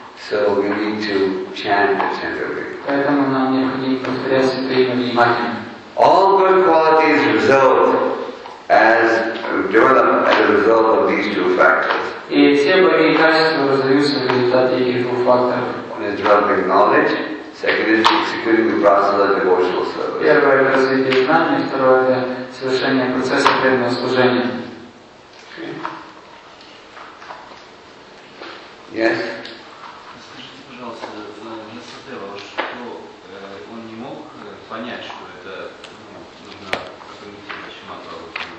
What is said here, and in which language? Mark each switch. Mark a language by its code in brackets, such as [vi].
[en] So we need to chant attentively. [ru] Поэтому нам необходимо повторять Святое Имя внимательно. [en] All good qualities result as developed as a result of these two factors. [ru] И все благие качества раздаются в результате этих двух факторов. [en] One is developing knowledge. Second is executing the process of devotional service. [ru] Первое – развитие знаний, второе – это совершение процесса преданного служения. [en] Yes? [ru] Скажите, пожалуйста, в Насадева, что он не мог понять, что это нужно принести в Чиматуру?